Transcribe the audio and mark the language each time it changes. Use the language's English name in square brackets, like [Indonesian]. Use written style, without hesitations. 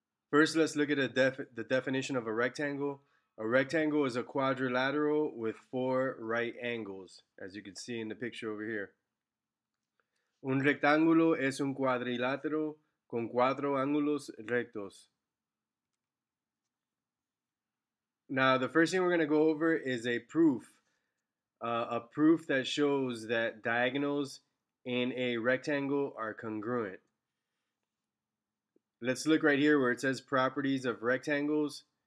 [English] First, let's look at the definition of a rectangle. A rectangle is a quadrilateral with four right angles, as you can see in the picture over here. [Spanish] Un rectángulo es un cuadrilátero con cuatro ángulos rectos. [English] Now, the first thing we're going to go over is a proof. A proof that shows that diagonals in a rectangle are congruent. Let's look right here where it says properties of rectangles.